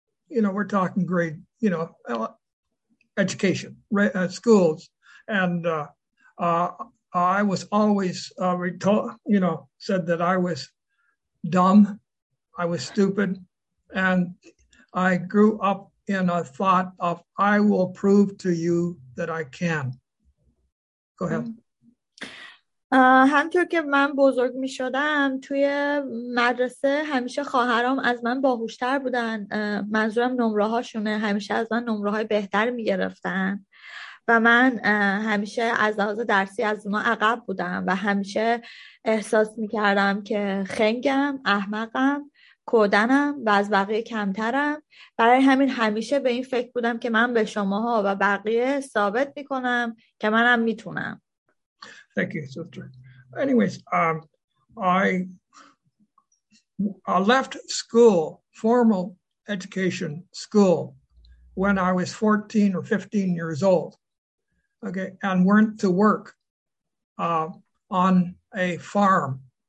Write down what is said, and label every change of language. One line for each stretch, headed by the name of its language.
English: You know, we're talking grade, you know, education, schools, and I was always said that I was dumb, I was stupid, and I grew up in a thought of I will prove to you that I can. Go ahead.
Persian: همطور که من بزرگ می شدم توی مدرسه همیشه خواهرام از من باهوشتر بودن، منظورم نمره هاشونه، همیشه از من نمره های بهتر می گرفتن و من همیشه از لحاظ درسی از اونا عقب بودم و همیشه احساس می کردم که خنگم، احمقم، کودنم و از بقیه کمترم. برای همین همیشه به این فکر بودم که من به شماها و بقیه ثابت می کنم که منم می تونم.
English: Thank you, sister. Anyways, I left school, formal education school, when I was 14 or 15 years old, okay, and went to work on a farm.